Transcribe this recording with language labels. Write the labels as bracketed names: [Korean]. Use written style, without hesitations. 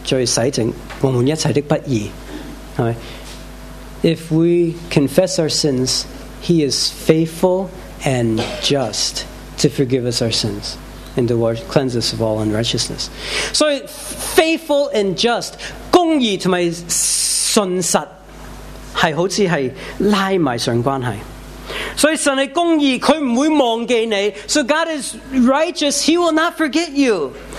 [Chinese] 我们若承认自己的罪，神是信实的，是公义的，必要赦免我们的罪，洗净我们一切的不义。系咪？ [English] If we confess our sins, He is faithful and just to forgive us our sins and to cleanse us of all unrighteousness. So, faithful and just, [Chinese] 公义和信实是好像是拉上关系。所以神是公义，祂不会忘记你。 [English] So God is righteous, He will not forget you.